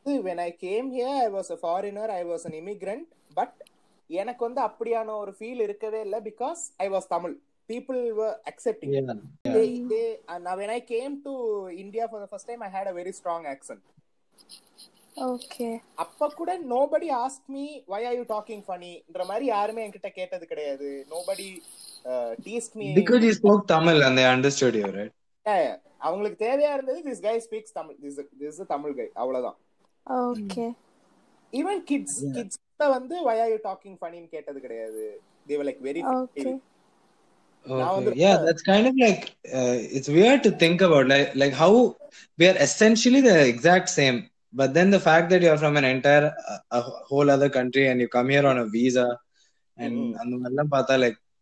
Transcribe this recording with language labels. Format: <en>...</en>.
<en>when I came here I was a foreigner I was an immigrant but</en> <ta>enakku vandu appadiyana oru feel irukave illa</ta> <en>because I was Tamil people were accepting and when I came to India for the first time I had a very strong accent Okay.</en> <ta>அப்ப கூட</ta> <en>nobody asked me why are you talking funny?</en> <ta>இந்த மாதிரி யாருமே என்கிட்ட கேட்டது கிடையாது.</ta> <en>Nobody teased me. Because you spoke Tamil and they understood you, right? Yeah, yeah.</en> <ta>அவங்களுக்கு தேவையா இருந்தது</ta> <en>this guy speaks Tamil. This is a Tamil guy.</en> <ta>அவ்வளவுதான்.</ta> <en>Okay. Even kids yeah. kids</en> <ta>கிட்ட வந்து</ta> <en>why are you talking funny</en> <ta>னு கேட்டது கிடையாது.</ta> <en>They were like very okay. Funny. Okay. Yeah, that's kind of like it's weird to think about like how we are essentially the exact same. But then the fact that you're from an entire a whole other country and you come here on a visa and mm-hmm.</en>